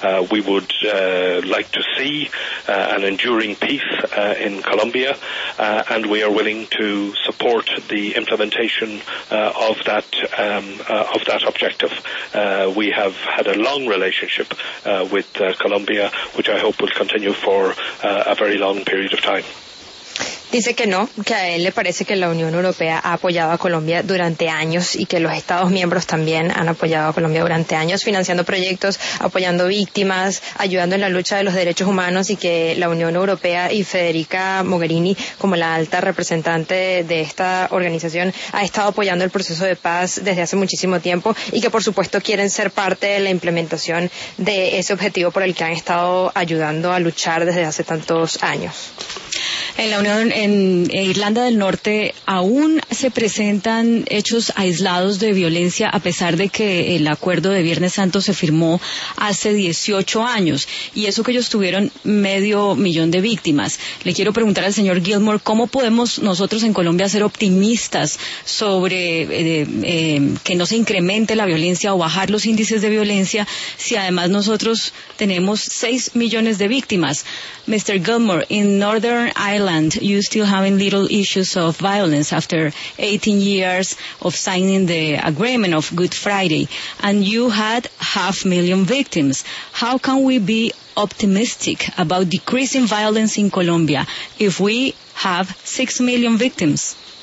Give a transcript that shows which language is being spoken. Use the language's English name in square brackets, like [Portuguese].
[English] We would like to see an enduring peace in Colombia, and we are willing to support the implementation of that objective. We have had a long relationship with Colombia, which I hope will continue for a very long period of time. [Spanish] Dice que no, que a él le parece que la Unión Europea ha apoyado a Colombia durante años y que los Estados miembros también han apoyado a Colombia durante años, financiando proyectos, apoyando víctimas, ayudando en la lucha de los derechos humanos, y que la Unión Europea y Federica Mogherini, como la alta representante de esta organización, ha estado apoyando el proceso de paz desde hace muchísimo tiempo y que, por supuesto, quieren ser parte de la implementación de ese objetivo por el que han estado ayudando a luchar desde hace tantos años. En la Unión, en Irlanda del Norte, aún se presentan hechos aislados de violencia, a pesar de que el acuerdo de Viernes Santo se firmó hace 18 años, y eso que ellos tuvieron medio millón de víctimas. Le quiero preguntar al señor Gilmore, ¿cómo podemos nosotros en Colombia ser optimistas sobre que no se incremente la violencia o bajar los índices de violencia, si además nosotros tenemos 6 millones de víctimas? [English] Mr. Gilmore, in Northern Ireland, you still having little issues of violence after 18 years of signing the agreement of Good Friday, and you had 500,000 victims. How can we be optimistic about decreasing violence in Colombia if we have 6 million victims?